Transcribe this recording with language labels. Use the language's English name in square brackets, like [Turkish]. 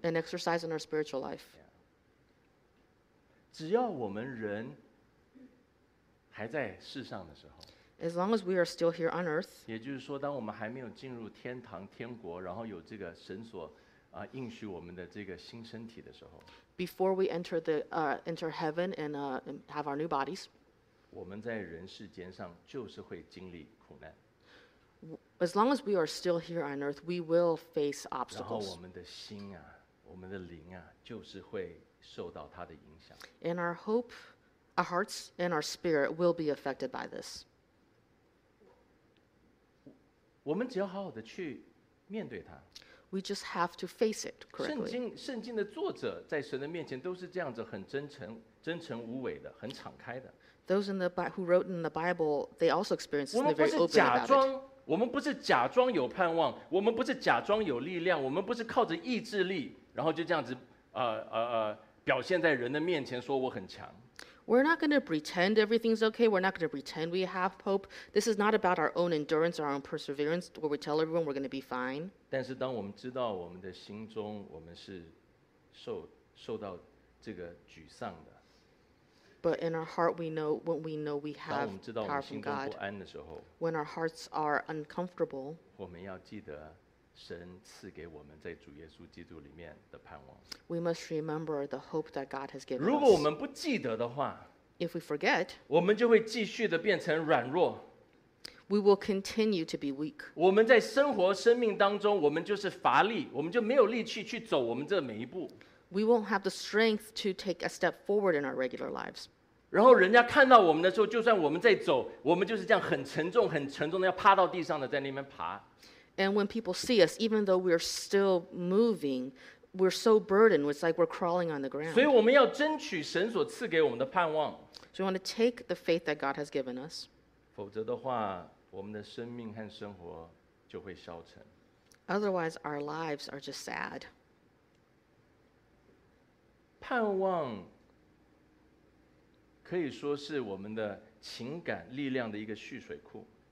[English] An exercise in our spiritual life. [Chinese] 只要我们人还在世上的时候， [English] as long as we are still here on earth， [Chinese] 也就是说，当我们还没有进入天堂天国，然后有这个神所应许我们的这个新身体的时候， [English] before we enter enter heaven and have our new bodies， [Chinese] 我们在人世间上就是会经历苦难。 [English] As long as we are still here on earth， we will face obstacles。 [Chinese] 然后我们的心啊，我们的灵啊，就是会受到它的影响。 [English] And our hope。 Our hearts and our spirit will be affected by this. [Chinese] 我们只要好好的去面对它。 [English] We just have to face it correctly. [Chinese] 圣经的作者在神的面前都是这样子，很真诚无伪的，很敞开的。 [English] Those who wrote in the Bible, they also experienced this in a very open about it. [Chinese] 我们不是假装有盼望，我们不是假装有力量，我们不是靠着意志力，然后就这样子表现在人的面前说我很强。 [English] We're not going to pretend everything's okay. We're not going to pretend we have hope. This is not about our own endurance, our own perseverance, where we tell everyone we're going to be fine. [Chinese] 但是当我们知道我们的心中我们是受到这个沮丧的。 [English] But in our heart, we know we have power from God. [Chinese] 不安的时候， [English] when our hearts are uncomfortable, [Chinese] 我们要记得神赐给我们在主耶稣基督里面的盼望。 [English] We must remember the hope that God has given us. [Chinese] 如果我们不记得的话， [English] if we forget, [Chinese] 我们就会继续的变成软弱。 [English] We will continue to be weak. [Chinese] 我们在生活生命当中，我们就是乏力，我们就没有力气去走我们这每一步。 [English] We won't have the strength to take a step forward in our regular lives. [Chinese] 然后人家看到我们的时候，就算我们在走，我们就是这样很沉重、很沉重的要趴到地上的，在那边爬。 [English] And when people see us, even though we're still moving, we're so burdened, it's like we're crawling on the ground. [Chinese] 所以我们要争取神所赐给我们的盼望。 [English] So we want to take the faith that God has given us. [Chinese] 否则的话，我们的生命和生活就会消沉。 [English] Otherwise, our lives are just sad. [Chinese] 盼望可以说是我们的情感力量的一个蓄水库。